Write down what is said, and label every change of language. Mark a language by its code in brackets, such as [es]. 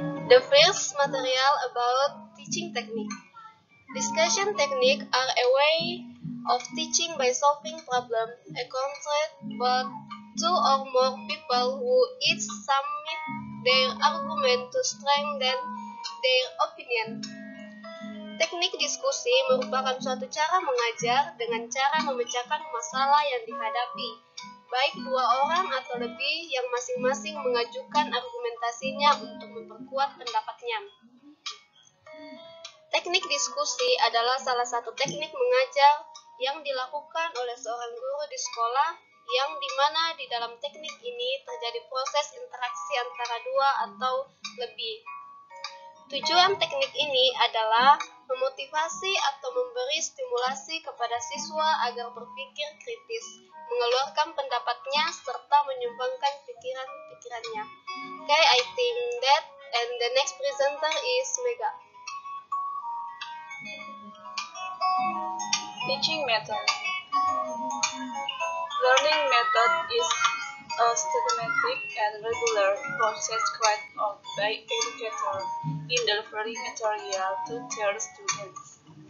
[en] The first material about teaching technique. Discussion techniques are a way of teaching by solving problems encountered by two or more people who each submit their argument to strengthen their opinion. [id] Teknik diskusi merupakan suatu cara mengajar dengan cara memecahkan masalah yang dihadapi, baik dua orang atau lebih yang masing-masing mengajukan argumentasinya untuk memperkuat pendapatnya. Teknik diskusi adalah salah satu teknik mengajar yang dilakukan oleh seorang guru di sekolah, yang dimana di dalam teknik ini terjadi proses interaksi antara dua atau lebih. Tujuan teknik ini adalah memotivasi atau memberi stimulasi kepada siswa agar berpikir kritis, mengeluarkan pendapatnya, serta menyumbangkan pikiran-pikirannya. [en] Okay, I think that, and the next presenter is Mega. Teaching method. Learning method is a systematic and regular process carried out by educator in delivering material to their students.